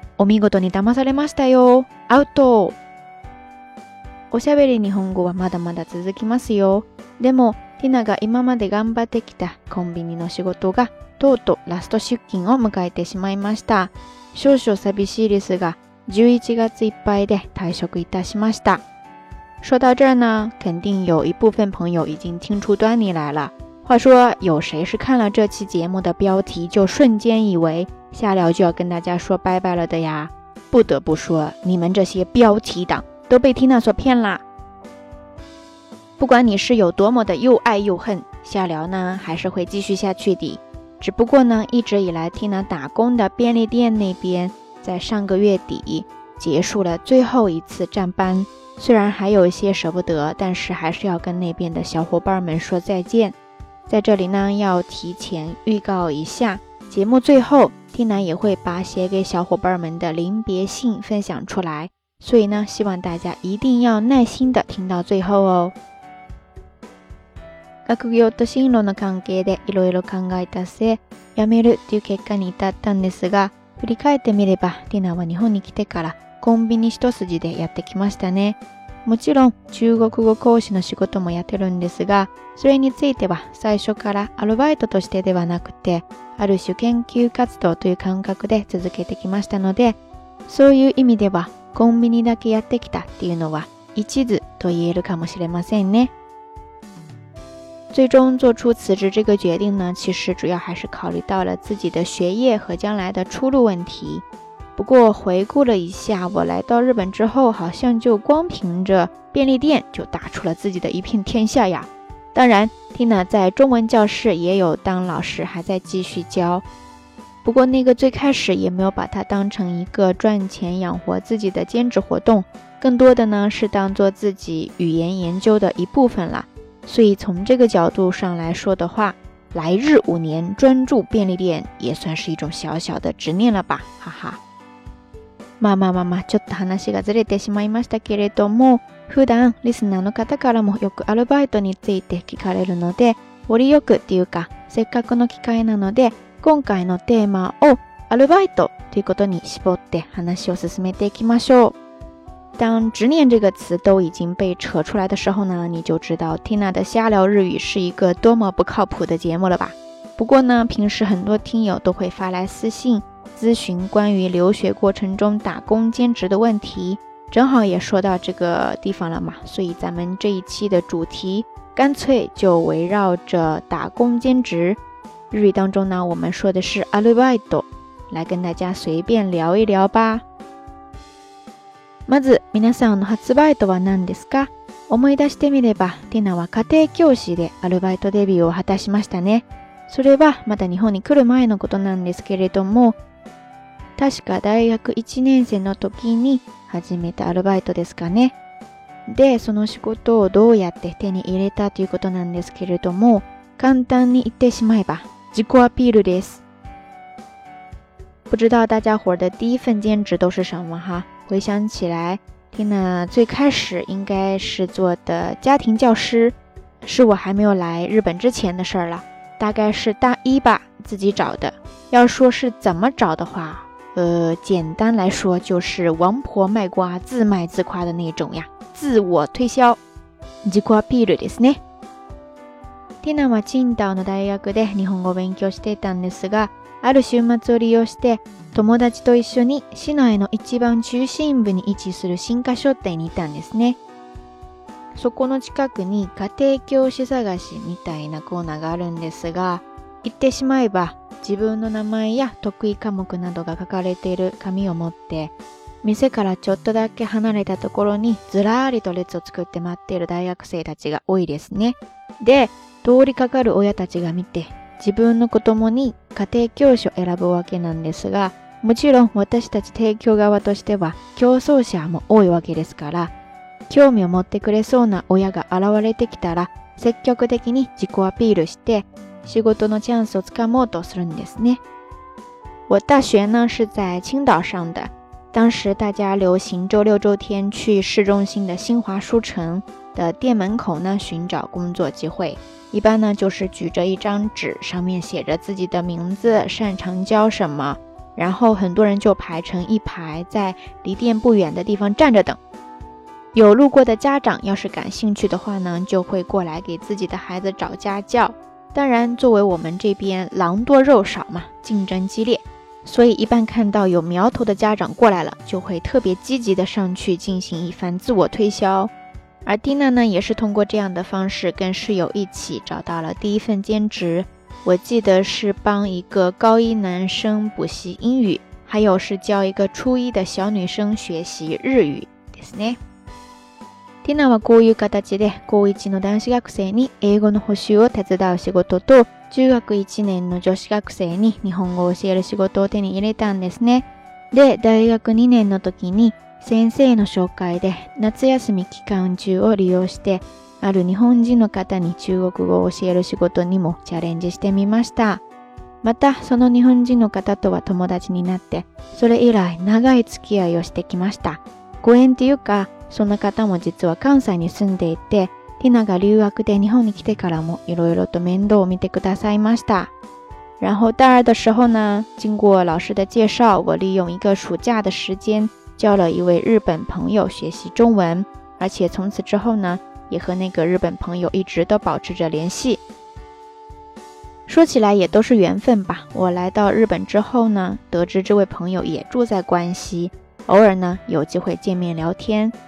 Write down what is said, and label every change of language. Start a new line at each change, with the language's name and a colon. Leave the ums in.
Japanese: お見事に騙されましたよ。アウトおしゃべり日本語はまだまだ続きますよ。でも、ティナが今まで頑張ってきたコンビニの仕事がとうとうラスト出勤を迎えてしまいました。少々寂しいですが、11月いっぱいで退職いたしました。
Chinese: 说到这儿呢，肯定有一部分朋友已经听出端倪来了。话说，有谁是看了这期节目的标题就瞬间以为夏聊就要跟大家说拜拜了的呀？不得不说，你们这些标题党都被 Tina 所骗啦！不管你是有多么的又爱又恨，夏聊呢还是会继续下去的。只不过呢，一直以来 Tina 打工的便利店那边，在上个月底结束了最后一次站班。虽然还有一些舍不得，但是还是要跟那边的小伙伴们说再见。在这里呢，要提前预告一下，节目最后，丁楠也会把写给小伙伴们的临别信分享出来。所以呢，希望大家一定要耐心的听到最后哦。
Japanese: 学業と進路の関係で考えた辞めるという結果に至ったんですが、振り返ってみれば、は日本に来てから。コンビニ一筋でやってきましたね。もちろん中国語講師の仕事もやってるんですが、それについては最初からアルバイトとしてではなくて、ある種研究活動という感覚で続けてきましたので、そういう意味ではコンビニだけやってきたっていうのは一途と言えるかもしれませんね。
Chinese: 最终做出辞职这个决定呢，其实主要还是考虑到了自己的学业和将来的出路问题。不过回顾了一下，我来到日本之后，好像就光凭着便利店就打出了自己的一片天下呀。当然，Tina 在中文教室也有当老师，还在继续教。不过那个最开始也没有把它当成一个赚钱养活自己的兼职活动，更多的呢是当做自己语言研究的一部分了。所以从这个角度上来说的话，来日五年专注便利店也算是一种小小的执念了吧，哈哈。
Japanese: まあまあまあまあ、ちょっと話がずれてしまいましたけれども、普段リスナーの方からもよくアルバイトについて聞かれるので、折りよくっていうか、せっかくの機会なので、今回のテーマをアルバイトということに絞って話を進めていきましょう。
Chinese: 当执念这个词都已经被扯出来的时候呢，你就知道 Tina 的瞎聊日语是一个多么不靠谱的节目了吧？不过呢，平时很多听友都会发来私信咨询关于留学过程中打工兼职的问题，正好也说到这个地方了嘛，所以咱们这一期的主题干脆就围绕着打工兼职。日语当中呢，我们说的是アルバイト，来跟大家随便聊一聊吧。
Japanese: まず、皆さんのバイトは何ですか？思い出してみれば、テナは家庭教師でアルバイトデビューを果たしましたね。それはまだ日本に来る前のことなんですけれども。確か大学1年生の時に始めたアルバイトですかね。で、その仕事をどうやって手に入れたということなんですけれども、簡単に言ってしまえば自己アピールです。
Chinese: 不知道大家伙的第一份兼职都是什么哈？回想起来，天哪，最开始应该是做的家庭教师，是我还没有来日本之前的事儿了，大概是大一吧，自己找的。要说是怎么找的话，呃，简单来说就是王婆卖瓜，自卖自夸的那种呀，自我推销。
Japanese: 自己アピールですね。ティナは青岛の大学で日本語を勉強していたんですが、ある週末を利用して友達と一緒に市内の一番中心部に位置する進化書店にいたんですね。そこの近くに家庭教師探しみたいなコーナーがあるんですが、言ってしまえば自分の名前や得意科目などが書かれている紙を持って店からちょっとだけ離れたところにずらーりと列を作って待っている大学生たちが多いですね。で、通りかかる親たちが見て自分の子供に家庭教師を選ぶわけなんですが、もちろん私たち提供側としては競争者も多いわけですから、興味を持ってくれそうな親が現れてきたら積極的に自己アピールして西国多诺将そ斯卡莫多斯人んですね。
Chinese: 我大学呢是在青岛上的，当时大家流行周六周天去市中心的新华书城的店门口呢寻找工作机会，一般呢就是举着一张纸，上面写着自己的名字、擅长教什么，然后很多人就排成一排，在离店不远的地方站着等。有路过的家长要是感兴趣的话呢，就会过来给自己的孩子找家教。当然，作为我们这边狼多肉少嘛，竞争激烈，所以一般看到有苗头的家长过来了，就会特别积极的上去进行一番自我推销。而蒂娜呢，也是通过这样的方式跟室友一起找到了第一份兼职，我记得是帮一个高一男生补习英语，还有是教一个初一的小女生学习日语。
Japanese: ですねティナはこういう形で高1の男子学生に英語の補習を手伝う仕事と中学1年の女子学生に日本語を教える仕事を手に入れたんですね。で、大学2年の時に先生の紹介で夏休み期間中を利用してある日本人の方に中国語を教える仕事にもチャレンジしてみました。またその日本人の方とは友達になってそれ以来長い付き合いをしてきました。ご縁っていうかそんな方も実は関西に住んでいて、ティナが留学で日本に来てからもいろいろと面倒を見てくださいました。
Chinese: 来到这儿的时候呢，经过老师的介绍，我利用一个暑假的时间教了一位日本朋友学习中文，而且从此之后呢，也和那个日本朋友一直都保持着联系。说起来也都是缘分吧。我来到日本之后呢，得知这位朋友也住在関西，偶尔呢有机会见面聊天。